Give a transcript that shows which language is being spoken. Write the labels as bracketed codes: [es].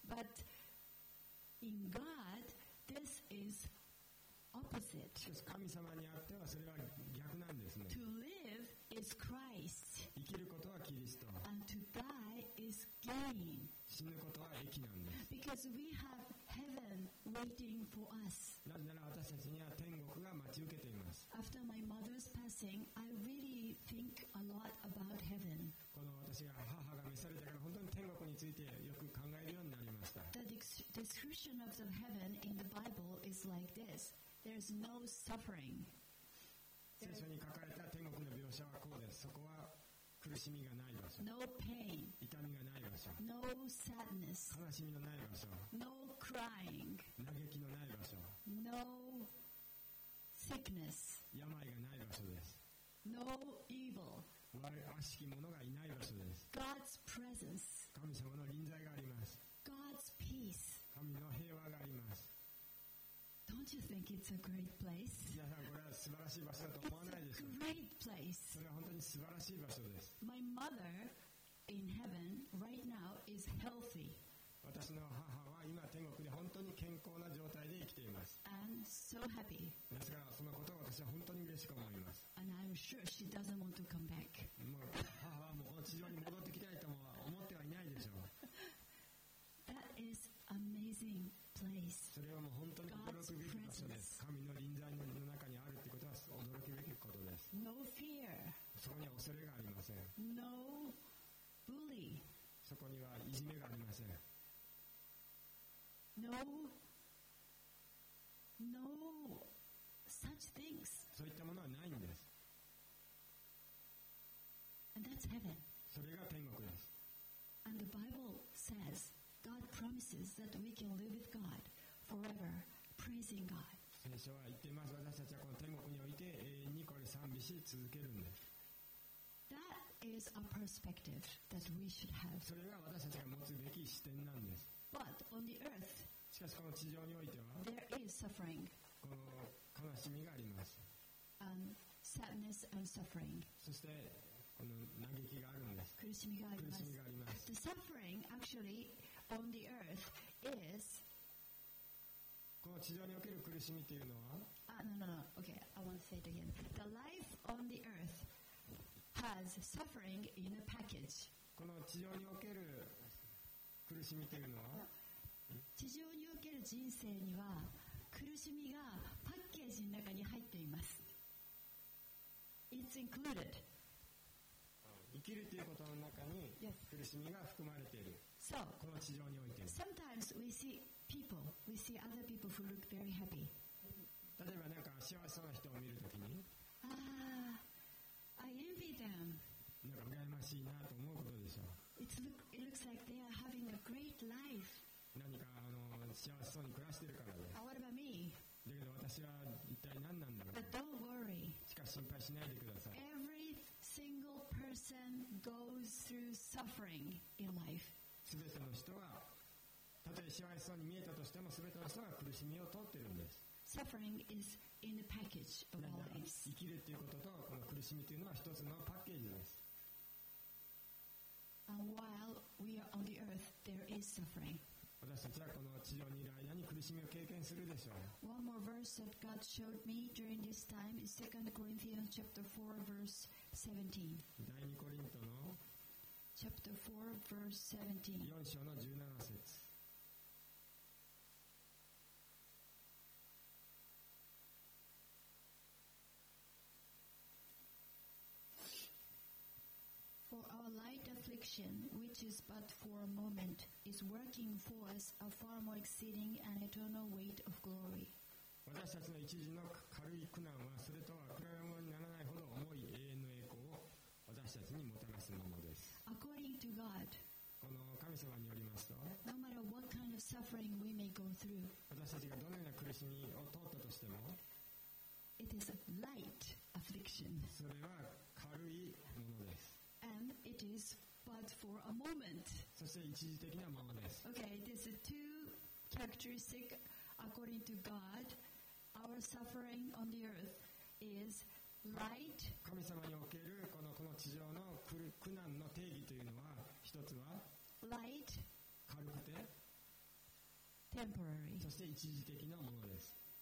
[en] But In God, this is opposite. [ja] 神様にあってはそれは逆なんですね。 [en] To live is Christ. [ja] 生きることはキリスト。 [en] And to die is gain. [ja] 死ぬことは益なんです。 [en] Because we have heaven waiting for us. [ja] なぜなら私たちには天国が待ち受けています。 [en] After my mother's passing, I really think a lot about heaven. [ja] この私が母が召されたから本当に天国についてよく考えるようになりました。 [en] The description of the heaven in the Bible is like this. There's no suffering. [ja] 聖書に書かれた天国の描写はこうです。そこは苦しみがない場所。 [en] No pain. [ja] 痛みがない場所。 [en] No sadness. [ja] 悲しみのない場所。 [en] No crying. [ja] 嘆きのない場所。 [en] No sickness. [ja] 病がない場所です。 [en] No evil. [ja] 悪しきものがいない場所です。 [en] God's presence. [ja] 神様の臨在があります。 [en] God's peace. [ja] 神の平和があります。 [en] Don't you think it's a great place? [ja] 皆さんこれは素晴らしい場所だと思わないでしょうか? [en] It's a great place. [ja] それは本当に素晴らしい場所です。 [en] My mother in heaven right now is healthy. [ja] 私の母は今天国で本当に健康な状態で生きています。 [en] And so happy. [ja] ですからそのことを私は本当に嬉しく思います。 [en] And I'm sure she doesn't want to come back. [ja] もう母はもうこの地上に戻ってきたいとは思ってはいないでしょう。 [en] That is amazing place. [ja] それはもう本当に驚くべき場所です。神の臨在の中にあるってことは驚くべきことです。 [en] No fear. [ja] そこには恐れがありません。 [en] No bully. [ja] そこにはいじめがありません。 [en] No. No such things. [ja] そういったものはないんです。 [en] And that's heaven. [ja] それが天国です。 [en] And the Bible says. God promises that we can live with God forever, praising God. [ja] 聖書は言っています。私たちはこの天国において永遠にこれ賛美し続けるんです。 [en] That is a perspective that we should have. [ja] それが私たちが持つべき視点なんです。 [en] But on the earth, [ja] しかしこの地上においては、 [en] there is suffering. [ja] この悲しみがあります。 [en] And sadness and suffering. [ja] そしてこの嘆きがあるんです。苦しみがあります。苦しみがあります。 [en] The suffering actually on the earth is [ja] この地上における苦しみというのは [en] No, okay, I want to say it again. The life on the earth has suffering in a package. [ja] この地上における苦しみというのは地上における人生には苦しみがパッケージの中に入っています。 [en] It's included. [ja] 生きるということの中に苦しみが含まれている。 [en] So, [ja] この地上において。 [en] Sometimes we see people, we see other people who look very happy. [ja] 例えばなんか幸せな人を見るときに、 [en] I envy them. [ja] なんか羨ましいなと思うことでしょう。 [en] It looks like they are having a great life. [ja] 何か幸せそうに暮らしているからです。 [en] What about me? [ja] だけど私は一体何なんだろう。 [en] But don't worry. [ja] しかし心配しないでください。 [en] Every single person goes through suffering in life. [ja] すべての人はたとえ幸せそうに見えたとしてもすべての人が苦しみを通っているんです。 [en] Suffering is in the package of our lives. [ja] 生きるということとこの苦しみというのは一つのパッケージです。 [en] And while on the earth, there is suffering. [ja] 私たちはこの地上にいる間に苦しみを経験するでしょう。 [en] One more verse that God showed me during this time is 2 Corinthians chapter 4 verse 17. [ja] 第2コリントの [en] Chapter 4 verse 17. [ja] 4章の17節。 [en] For our light affliction, which is but for a moment, is working for us a far more exceeding and eternal weight of glory. [ja] 私たちの一時の軽い苦難はそれとは比べ物にならないほど重い永遠の栄光を私たちにもたらすものです。 [en] According to God, [ja] この神様によりますと、 [en] no matter what kind of suffering we may go through, [ja] 私たちがどのような苦しみを通ったとしても、 [en] it is a light affliction. [ja] それは軽いものです。 [en] And it is but for a moment. [ja] そして一時的なものです。 [en] Okay, this is two characteristics according to God. Our suffering on the earth is light. [ja] 神様におけるこの地上の苦難の定義というのは、一つは [en] light, [ja] 軽くて [en] temporary. [ja] そして一時的なものです。